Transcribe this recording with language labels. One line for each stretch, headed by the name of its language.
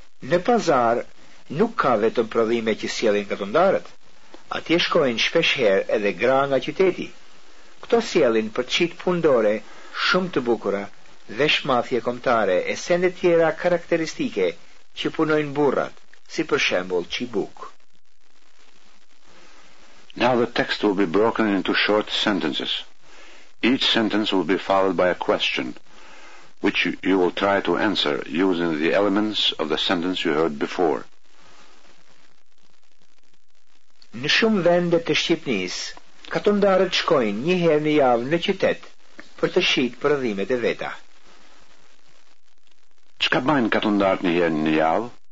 Albanian: Në pazar nuk ka vetëm prodhime që sjellin katundarët, atje shkojnë shpeshherë edhe gra nga qyteti. Këto sjellin për çit pundore shumë të bukura, veshmafje kombëtare e sende tjera karakteristike që punojnë burrat, si për shembull çibuk.
English: Now the text will be broken into short sentences. Each sentence will be followed by a question, which you will try to answer using the elements of the sentence you heard before.
Albanian: Në shumë vende të Shqipnisë, katundarët shkojnë një herë në javë në qytet për të shitë prodhimet e veta. Çka bajnë katundarët një herë në javë?